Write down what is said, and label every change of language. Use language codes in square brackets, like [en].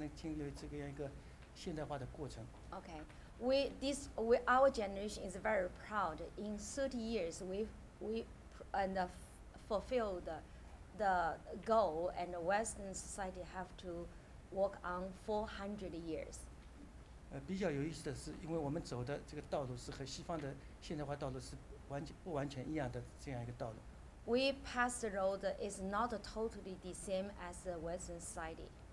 [zh] 所以我们这一代人很骄傲，因为我们一个人西方人如果要活了差不多400年，然后在我们一代人就经过这样一个天翻地覆的变化，西方400年才能经历这个样一个现代化的过程。 [en] Okay, we our generation is very proud. In 30 years, we fulfilled the goal, and Western society have to walk on 400 years. [zh] 比较有意思的是，因为我们走的这个道路是和西方的现代化道路是完全不完全一样的这样一个道路。 [en] We pass the road is not totally the same as the Western society.